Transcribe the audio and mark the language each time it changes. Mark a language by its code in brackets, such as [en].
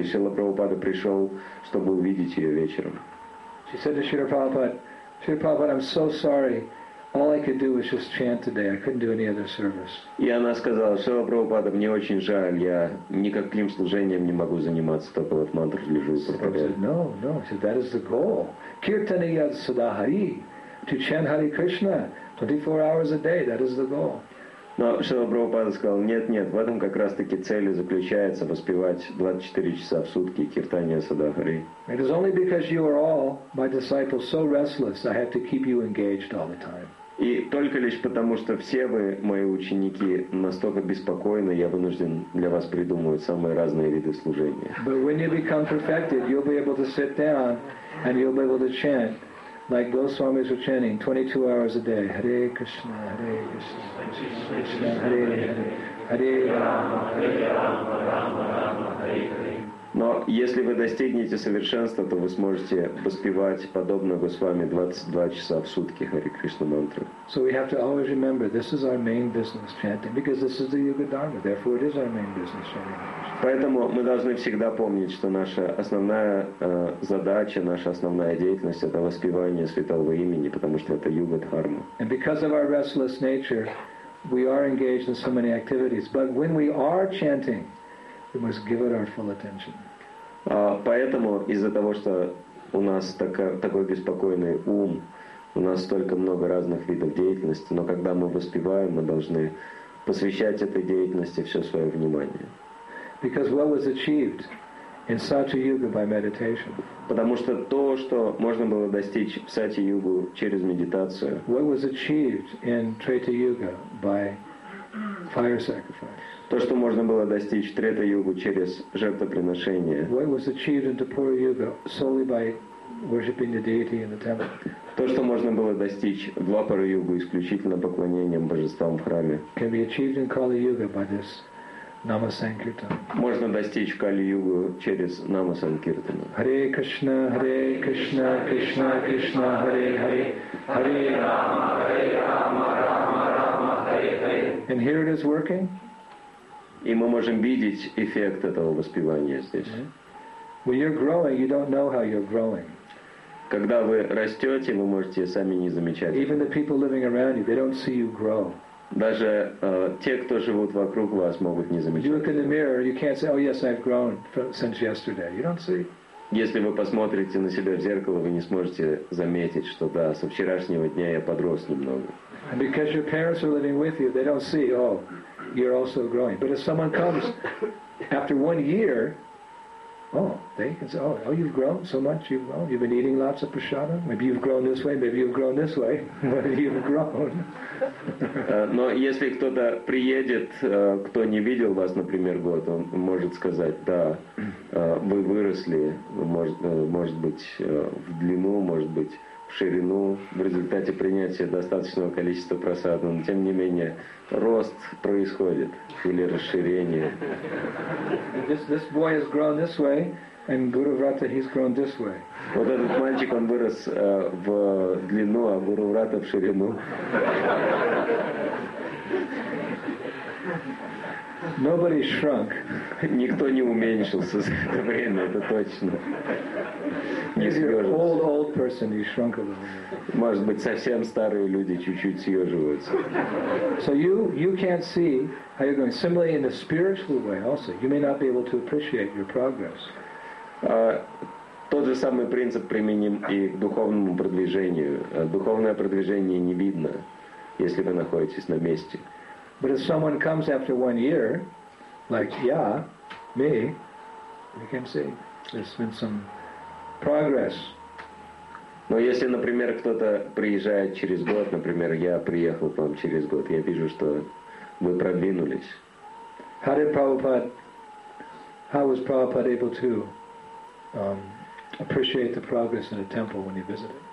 [ru] И Шрила Прабхупада пришел, чтобы увидеть ее вечером. [en] She said to Shri Prabhupada, Shri Prabhupada, I'm so sorry. All I could do was just chant today. I couldn't do any other service. [ru] И она сказала: «Шрила Прабхупада, мне очень жаль, я никаким служением не могу заниматься, только вот мантру лежу и повторяю». [en] No, no. He said, that is the goal. [sa] Kirtane yad sadahari, [en] to chant Hare Krishna 24 hours a day. That is the goal. [ru] Но Шрила Прабхупада сказал: «Нет, нет. В этом как раз-таки цель и заключается — воспевать 24 часа в сутки киртане садахари». [en] It is only because you are all my disciples so restless, I have to keep you engaged all the time. [ru] И только лишь потому, что все вы мои ученики настолько беспокойны, я вынужден для вас придумывать самые разные виды служения. [en] But when you become perfected, you'll be able to sit down and you'll be able to chant like Goswamis were chanting 22 hours a day. [sa] Hare Krishna, Hare Krishna, Hare Hare, Hare Rama, Hare Rama, Rama Rama, Hare Hare. [ru] Но если вы достигнете совершенства, то вы сможете воспевать подобно Госвами 22 часа в сутки Hare Krishna мантру. [en] So we have to always remember this is our main business chanting, because this is the Yuga Dharma, therefore it is our main business chanting. [ru] Поэтому мы должны всегда помнить, что наша основная задача, наша основная деятельность — это воспевание святого имени, потому что это Юга Дхарма. [en] And because of our restless nature, we are engaged in so many activities. But when we are chanting, we must give it our full attention. [ru] Поэтому из-за того, что у нас такой беспокойный ум, у нас столько много разных видов деятельности, но когда мы воспеваем, мы должны посвящать этой деятельности все свое внимание. [en] Because what was achieved in Satya Yuga by meditation? [ru] Потому что то, что можно было достичь в Сати Югу через медитацию. [en] What was achieved in Treta Yuga by fire sacrifice? [ru] То, что можно было достичь в Трета Югу через жертвоприношение. [en] What was achieved in Dipura Yuga solely by worshiping the deity in the temple. [ru] То, что можно было достичь в Двапара-югу исключительно поклонением божествам в храме, [en] can be achieved in Kali-yuga by this Nama-sankirtan. [ru] Можно достичь в Кали-югу через Нама-санкиртану. [sa] Hare Krishna, Hare Krishna, Krishna Krishna, Hare Hare, Hare Rama, Hare Rama, Rama Rama, Hare Hare. [en] And here it is working. [ru] И мы можем видеть эффект этого воспевания здесь. [en] When you're growing, you don't know how you're growing. [ru] Когда вы растете, вы можете сами не замечать. [en] Even the people living around you, they don't see you grow. [ru] Даже те, кто живут вокруг вас, могут не замечать. [en] You look in the mirror, you can't say, "Oh yes, I've grown since yesterday." You don't see. [ru] Если вы посмотрите на себя в зеркало, вы не сможете заметить, что да, со вчерашнего дня я подрос немного. [en] And because your parents are living with you, they don't see, "Oh, you're also growing." But if someone comes after 1 year, oh, they can say, oh, oh, you've grown so much. You've grown. You've been eating lots of prasadam. Maybe you've grown this way. Maybe you've grown this way. Maybe you've grown. [ru] Но если кто-то приедет, кто не видел вас, например, год, он может сказать, да, вы выросли, может быть, в длину, может быть, в ширину, в результате принятия достаточного количества прасада. Но тем не менее, рост происходит или расширение. [en] This boy has grown this way, and Guru Vrata, he's grown this way. [ru] Вот этот мальчик, он вырос в длину, а Гуру Врата в ширину. [en] Nobody shrunk. [ru] Никто не уменьшился за это время, это точно. Не съежился. [en] Old person, you shrunk a little. [ru] Может быть, совсем старые люди чуть-чуть съеживаются. [en] So you can't see how you're going. Similarly, in a spiritual way, also, you may not be able to appreciate your progress. [ru] Тот же самый принцип применим и к духовному продвижению. Духовное продвижение не видно, если вы находитесь на месте. [en] But if someone comes after 1 year, like yeah, me, we can see there's been some progress. [ru] Но если, например, кто-то приезжает через год, например, я приехал к вам через год, я вижу, что вы продвинулись. [en] How was Prabhupada able to appreciate the progress in a temple when he visited?